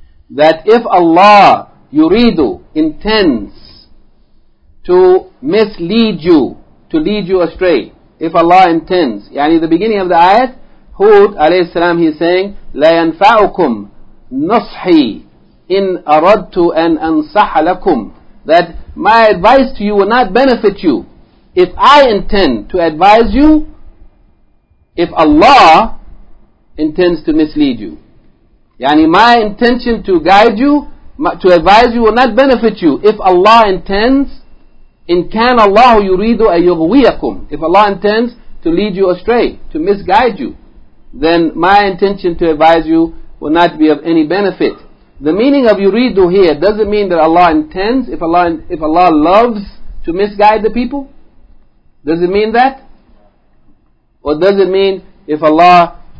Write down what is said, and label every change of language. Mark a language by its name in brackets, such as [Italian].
[English] That if Allah, yuridu, intends to mislead you, to lead you astray, if Allah intends, yani the beginning of the ayat, Hud alayhi salam, he is saying, [Arabic] لَا يَنْفَعُكُمْ نُصْحِي إِنْ أَرَدْتُ أَنْ أَنْصَحَ لَكُمْ. [English] That my advice to you will not benefit you. If I intend to advise you, if Allah intends to mislead you, yani my intention to guide you, to advise you, will not benefit you. If Allah intends, [Arabic] إِنْ كَانَ اللَّهُ يُرِيدُ أَن يُغْوِيَكُمْ. [English] If Allah intends to lead you astray, to misguide you, then my intention to advise you will not be of any benefit. The meaning of yuridu here doesn't mean that Allah intends, if Allah loves to misguide the people. Does it mean that? Or does it mean if Allah